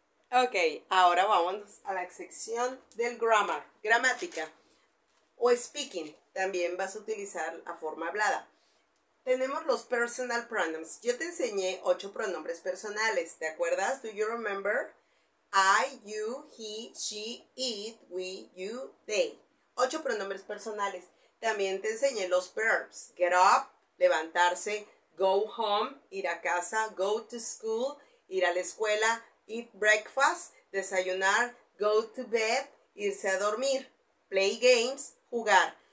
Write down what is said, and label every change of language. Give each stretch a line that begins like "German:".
Spanish: Ok, ahora vamos a la sección del grammar, gramática, o speaking. También vas a utilizar la forma hablada. Tenemos los personal pronouns. Yo te enseñé 8 pronombres personales. ¿Te acuerdas?
English: Do you remember? I, you, he, she, it, we, you, they.
Spanish: 8 pronombres personales. También te enseñé los verbs.
English: Get up,
Spanish: levantarse.
English: Go home,
Spanish: ir a casa.
English: Go to school,
Spanish: ir a la escuela.
English: Eat breakfast,
Spanish: desayunar.
English: Go to bed,
Spanish: irse a dormir.
English: Play games,
Spanish: jugar.